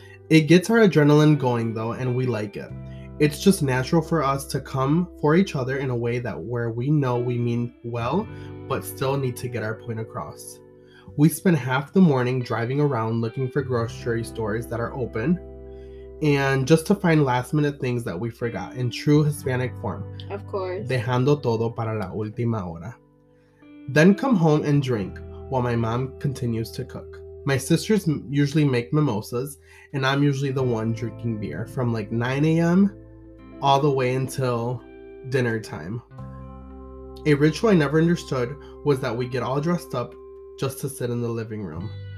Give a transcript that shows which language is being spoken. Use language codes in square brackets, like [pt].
[en] It gets our adrenaline going though, and we like it. It's just natural for us to come for each other in a way that where we know we mean well, but still need to get our point across. We spend half the morning driving around looking for grocery stores that are open and just to find last minute things that we forgot in true Hispanic form. Of course. [es] Dejando todo para la última hora. [en] Then come home and drink while my mom continues to cook. My sisters usually make mimosas, and I'm usually the one drinking beer from like 9 a.m. all the way until dinner time. A ritual I never understood was that we get all dressed up just to sit in the living room.